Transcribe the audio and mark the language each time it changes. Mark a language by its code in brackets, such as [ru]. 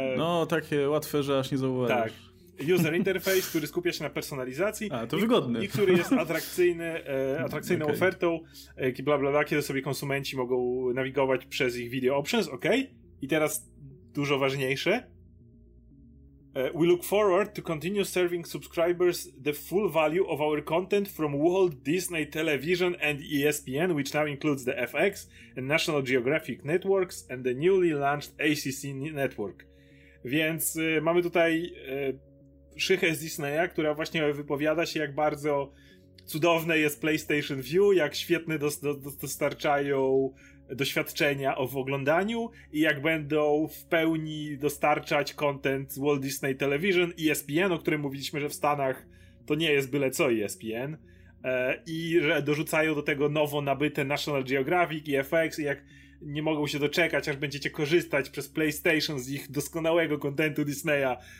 [pl] No, takie łatwe, że aż nie zauważysz. Tak. User interface, który skupia się na personalizacji. A, to wygodny. I który jest atrakcyjną okay. ofertą, bla bla bla, kiedy sobie konsumenci mogą nawigować przez ich video options, okej. Okay. I teraz dużo ważniejsze. [en] We look forward to continue serving subscribers the full value of our content from Walt Disney Television and ESPN, which now includes the FX and National Geographic Networks and the newly launched ACC Network. [pl] Więc mamy tutaj szychę z Disneya, która właśnie wypowiada się, jak bardzo cudowne jest PlayStation View, jak świetnie dostarczają doświadczenia w oglądaniu i jak będą w pełni dostarczać content z Walt Disney Television i ESPN, o którym mówiliśmy, że w Stanach to nie jest byle co ESPN, i że dorzucają do tego nowo nabyte National Geographic i FX, i jak nie mogą się doczekać, aż będziecie korzystać przez PlayStation z ich doskonałego contentu Disneya.